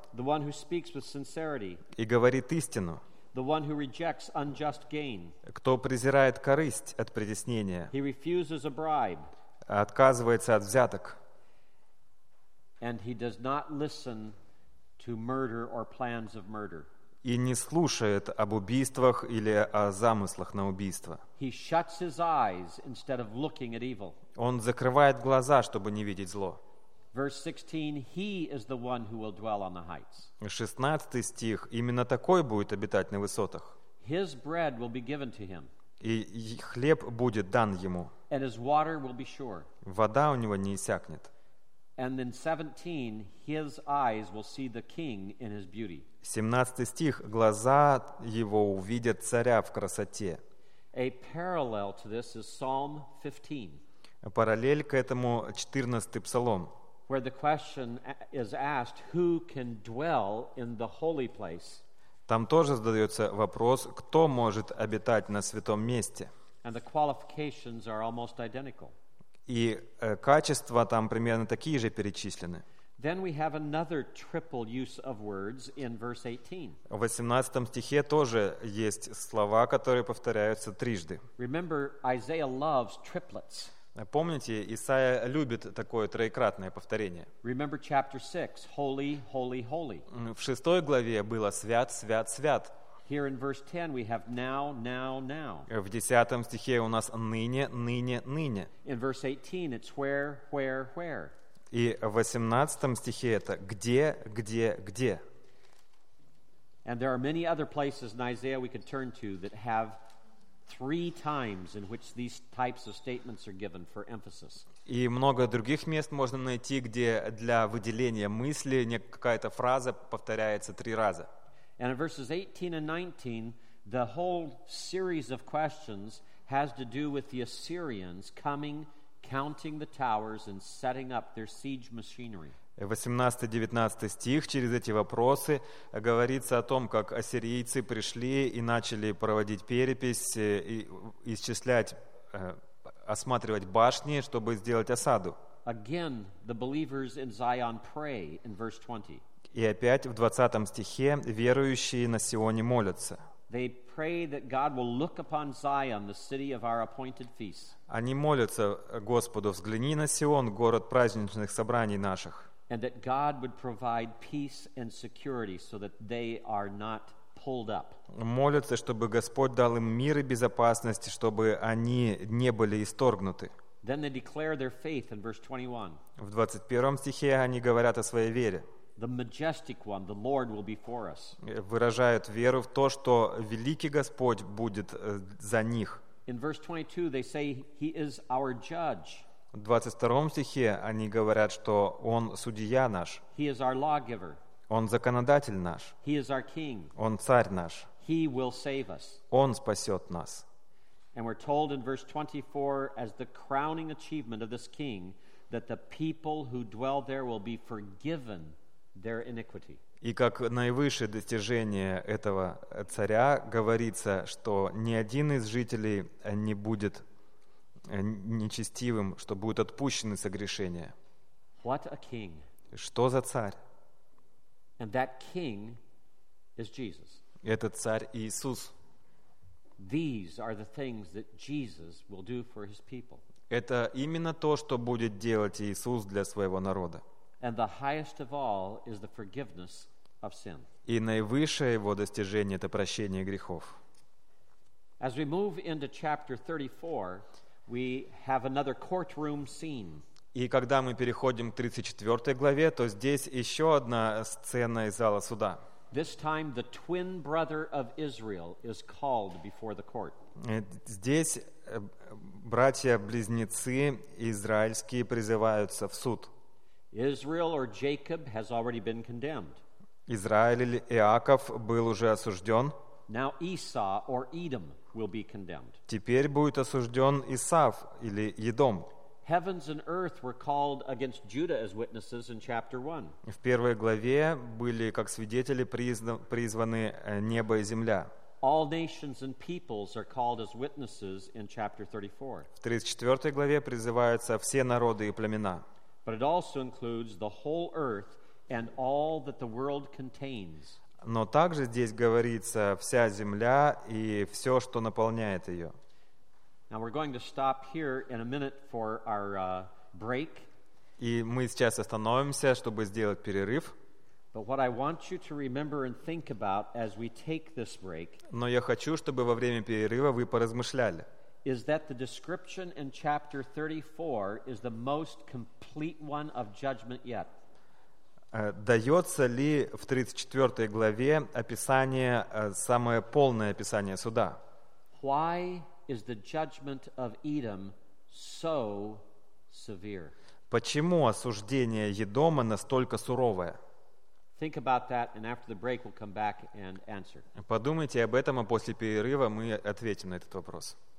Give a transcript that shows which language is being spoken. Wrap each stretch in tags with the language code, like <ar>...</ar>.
<en>The one who speaks with sincerity.</en> <ru>И говорит истину.</ru> <en>The one who rejects unjust gain.</en> <ru>Кто презирает корысть от притеснения.</ru> <en>He refuses a bribe.</en> <ru>Отказывается от взяток.</ru> <en>And he does not listen to murder or plans of murder.</en> <ru>И не слушает об убийствах или о замыслах на убийство.</ru> <en>He shuts his eyes instead of looking at evil.</en> <ru>Он закрывает глаза, чтобы не видеть зло.</ru> <en>Verse 16, he is the one who will dwell on the heights.</en> <ru>16 стих, именно такой будет обитать на высотах.</ru> <en>His bread will be given to him.</en> <ru>И хлеб будет дан ему.</ru> <en>And his water will be sure.</en> <ru>Вода у него не иссякнет.</ru> <en>And then 17, his eyes will see the king in his beauty.</en> <ru>17 стих, глаза его увидят царя в красоте.</ru> <en>A parallel to this is Psalm 15.</en> <ru>Параллель к этому 14-й псалом.</ru> <en>Where the question is asked, who can dwell in the holy place?</en> <ru>Там тоже задается вопрос, кто может обитать на святом месте?</ru> <en>And the qualifications are almost identical.</en> <ru>И качества там примерно такие же перечислены.</ru> <en>Then we have another triple use of words in verse 18.</en> <ru>В 18 стихе тоже есть слова, которые повторяются трижды.</ru> <en>Remember, Isaiah loves triplets.</en> <ru>Помните, Исаия любит такое троекратное повторение.</ru> <en>Remember chapter 6, holy, holy, holy.</en> <ru>В 6 главе было свят, свят, свят.</ru> <en>Here in verse 10 we have now, now, now.</en> <ru>В 10 стихе у нас ныне, ныне, ныне.</ru> <en>In verse 18 it's where, where, where.</en> <ru>И в 18 стихе это где, где, где.</ru> <en>And there are many other places in Isaiah we could turn to that have three times in which these types of statements are given for emphasis.</en> <ru>И много других мест можно найти, где для выделения мысли какая-то фраза повторяется три раза.</ru> <en>And in verses 18 and 19, the whole series of questions has to do with the Assyrians coming, counting the towers and setting up their siege machinery.</en> <ru>18-19 стих через эти вопросы говорится о том, как ассирийцы пришли и начали проводить перепись, и исчислять, осматривать башни, чтобы сделать осаду.</ru> <en>Again, the believers in Zion pray in verse 20.</en> <ru>И опять в 20 стихе верующие на Сионе молятся.</ru> <en>They pray that God will look upon Zion, the city of our appointed feast.</en> <ru>Они молятся Господу, взгляни на Сион, город праздничных собраний наших.</ru> <en>And that God would provide peace and security so that they are not pulled up.</en> <ru>Молятся, чтобы Господь дал им мир и безопасность, чтобы они не были исторгнуты.</ru> <en>Then they declare their faith in verse 21.</en> <ru>В 21 стихе они говорят о своей вере.</ru> <en>The majestic one, the Lord will be for us.</en> <ru>Выражают веру в то, что великий Господь будет за них.</ru> <en>In verse 22 they say he is our judge.</en> <ru>В 22 стихе они говорят, что Он судья наш.</ru> <en>He is our lawgiver.</en> <ru>Он законодатель наш.</ru> <en>He is our king.</en> <ru>Он царь наш.</ru> <en>He will save us.</en> <ru>Он спасет нас.</ru> <en>And we're told in verse 24, as the crowning achievement of this king, that the people who dwell there will be forgiven their iniquity.</en> <ru>И как наивысшее достижение этого царя говорится, что ни один из жителей не будет нечестивым, что будут отпущены согрешения.</ru> <en>What a king.</en> <ru>Что за царь?</ru> <en>And that king is Jesus.</en> <ru>Этот царь Иисус.</ru> <en>These are the things that Jesus will do for his people.</en> <ru>Это именно то, что будет делать Иисус для своего народа.</ru> <en>And the highest of all is the forgiveness of sin.</en> <ru>И наивысшее его достижение — это прощение грехов.</ru> <en>As we move into chapter 34, we have another courtroom scene.</en> <ru>И когда мы переходим к 34 главе, то здесь еще одна сцена из зала суда.</ru> <en>This time the twin brother of Israel is called before the court.</en> <ru>Здесь братья-близнецы израильские призываются в суд.</ru> <en>Israel or Jacob has already been condemned.</en> <ru>Израиль или Иаков был уже осужден.</ru> <en>Now Esau or Edom will be condemned.</en> <ru>Теперь будет осужден Исав или Едом.</ru> <en>Heavens and earth were called against Judah as witnesses in chapter 1.</en> <ru>В первой главе были как свидетели призваны небо и земля.</ru> <en>All nations and peoples are called as witnesses in chapter 34.</en> <ru>В 34 главе призываются все народы и племена.</ru> <en>But it also includes the whole earth and all that the world contains.</en> <ru>Но также здесь говорится вся земля и все, что наполняет ее.</ru> <en>Now we're going to stop here in a minute for our break.</en> <ru>И мы сейчас остановимся, чтобы сделать перерыв.</ru> <en>But what I want you to remember and think about as we take this break.</en> <ru>Но я хочу, чтобы во время перерыва вы поразмышляли.</ru> <en>Is that the description in chapter 34 is the most complete one of judgment yet?</en> <ru>Дается ли в 34 главе описание самое полное описание суда?</ru> <en>Why is the judgment of Edom so severe?</en> <ru>Почему осуждение Едома настолько суровое?</ru> <en>Think about that, and after the break we'll come back and answer.</en> <ru>Подумайте об этом, а после перерыва мы ответим на этот вопрос.</ru>